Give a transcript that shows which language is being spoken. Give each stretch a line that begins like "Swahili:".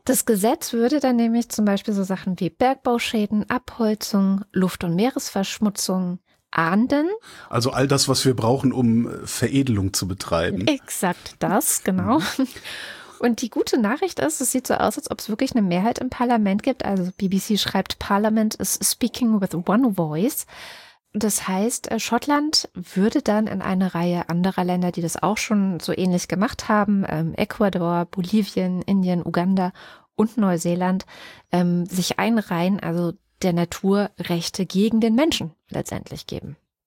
German: Das Gesetz würde dann nämlich zum Beispiel so Sachen wie Bergbauschäden, Abholzung, Luft- und Meeresverschmutzung ahnden. Also all das, was wir brauchen, um Veredelung zu betreiben. Exakt das, genau. Und die gute Nachricht ist, es sieht so aus, als ob es wirklich eine Mehrheit im Parlament gibt. Also BBC schreibt,
English: Parliament is speaking with one voice.
German: Das heißt, Schottland würde dann in eine Reihe anderer Länder, die das auch schon so ähnlich gemacht haben, Ecuador, Bolivien, Indien, Uganda und Neuseeland, sich einreihen, also der Natur Rechte gegen den Menschen letztendlich geben.